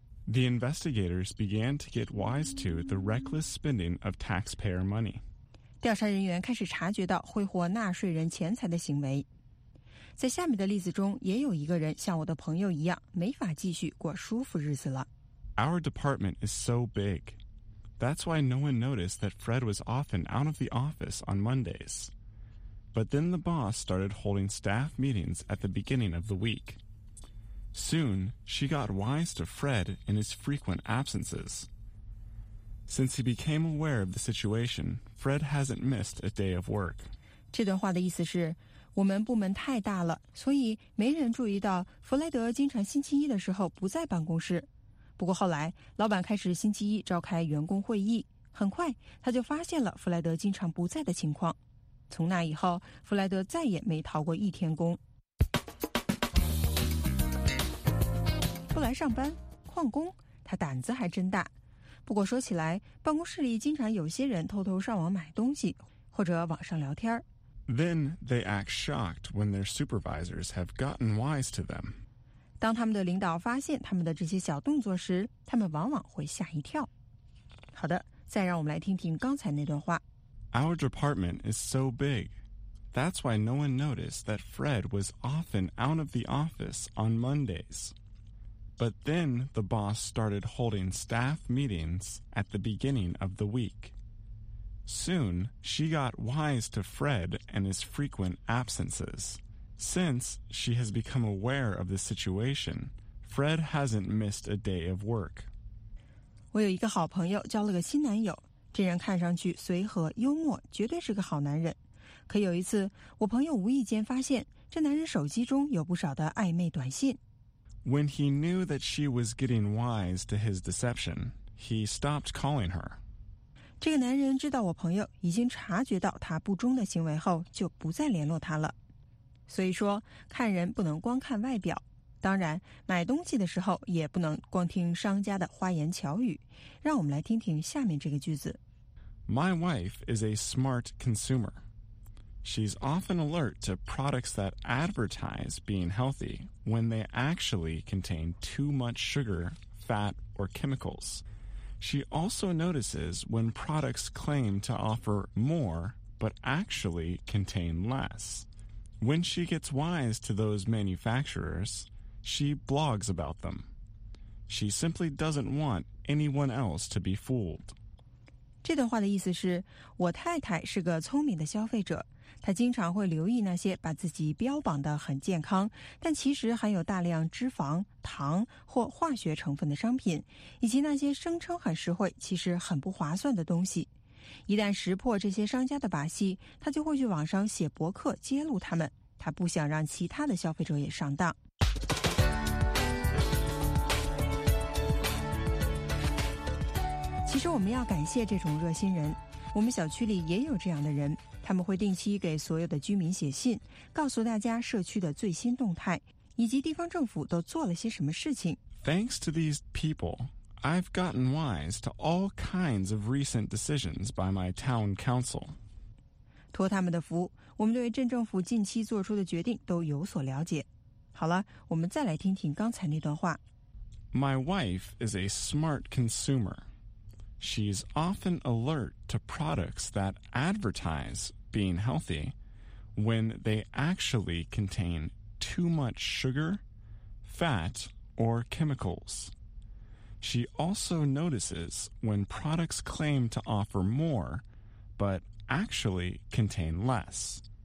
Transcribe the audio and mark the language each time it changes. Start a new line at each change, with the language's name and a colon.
English: The investigators began to get wise to the reckless spending of taxpayer money.
Chinese: 调查人员开始察觉到挥霍纳税人钱财的行为。在下面的例子中，也有一个人像我的朋友一样，没法继续过舒服日子了。
English: Our department is so big. That's why no one noticed that Fred was often out of the office on Mondays. But then the boss started holding staff meetings at the beginning of the week. Soon, she got wise to Fred in his frequent absences. Since he became aware of the situation, Fred hasn't missed a day of work.
Chinese: 这段话的意思是，我们部门太大了，所以没人注意到弗雷德经常星期一的时候不在办公室。不过后来，老板开始星期一召开员工会议，很快他就发现了弗雷德经常不在的情况。从那以后，弗雷德再也没逃过一天工。不来上班，旷工，他胆子还真大。不过说起来，办公室里经常有些人偷偷上网买东西，或者网上聊天。
English: Then they act shocked when their supervisors have gotten wise to them.
Chinese: 当他们的领导发现他们的这些小动作时，他们往往会吓一跳。好的，再让我们来听听刚才那段话。
English: Our department is so big. That's why no one noticed that Fred was often out of the office on Mondays. But then the boss started holding staff meetings at the beginning of the week. Soon, she got wise to Fred and his frequent absences. Since she has become aware of the situation, Fred hasn't missed a day of work.
Chinese: 我有一个好朋友交了个新男友，这人看上去随和幽默，绝对是个好男人。可有一次，我朋友无意间发现这男人手机中有不少的暧昧短信。
English: When he knew that she was getting wise to his deception, he stopped calling her.
Chinese: 这个男人知道我朋友已经察觉到他不忠的行为后，就不再联络他了。所以说，看人不能光看外表。当然，买东西的时候也不能光听商家的花言巧语。让我们来听听下面这个句子。
English: My wife is a smart consumer. She's often alert to products that advertise being healthy when they actually contain too much sugar, fat, or chemicals. She also notices when products claim to offer more but actually contain less. When she gets wise to those manufacturers, she blogs about them. She simply doesn't want anyone else to be fooled.
Chinese: 这段话的意思是，我太太是个聪明的消费者。他经常会留意那些把自己标榜得很健康，但其实含有大量脂肪、糖或化学成分的商品，以及那些声称很实惠，其实很不划算的东西。一旦识破这些商家的把戏，他就会去网上写博客揭露他们。他不想让其他的消费者也上当。其实我们要感谢这种热心人，我们小区里也有这样的人，他们会定期给所有的居民写信，告诉大家社区的最新动态，以及地方政府都做了些什么事情。
English: Thanks to these people, I've gotten wise to all kinds of recent decisions by my town council.
Chinese: 托他们的福，我们对镇政府近期做出的决定都有所了解。好了，我们再来听听刚才那段话。
English: My wife is a smart consumer. She's often alert to products that advertise being healthy when they actually contain too much sugar, fat, or chemicals. She also notices when products claim to offer more, but actually contain less.